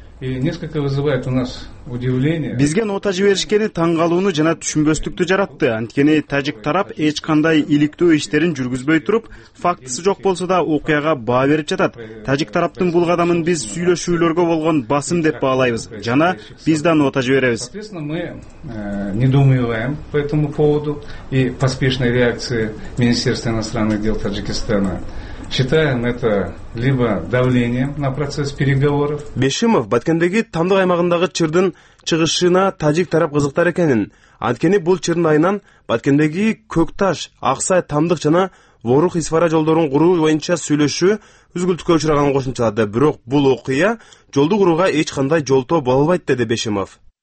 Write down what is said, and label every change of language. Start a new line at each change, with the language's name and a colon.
Russian: И несколько вызывает у нас удивление.
Kyrgyz: Бизге нота жиберишкени таң калууну жана түшүнбөстүктү жаратты. Анткени тажик тарап эч кандай иликтөө иштерин жүргүзбөй туруп, фактысы жок болсо да окуяга баа берип жатат. Тажик тараптын бул кадамын биз сүйлөшүүлөргө болгон басым деп баалайбыз жана биз да нота жиберебиз.
Russian: Соответственно, мы недоумеваем по этому поводу и поспешной реакции Министерства иностранных дел Таджикистана. Считаем это либо давлением на процесс переговоров.
Kyrgyz: Бешимов Баткендеги тамдык аймагындагы чырдын чыгышына тажик тарап кызыктар экенин, анткени бул чырдын айынан Баткендеги Көкташ, Аксай, Тамдык жана Ворух Исфара жолдорун куруу боюнча сүйлөшүү үзгүлтүккө учураганын кошумчалады. Бирок бул окуя жолду курууга эч кандай жолтоо боло албайт, деди Бешимов.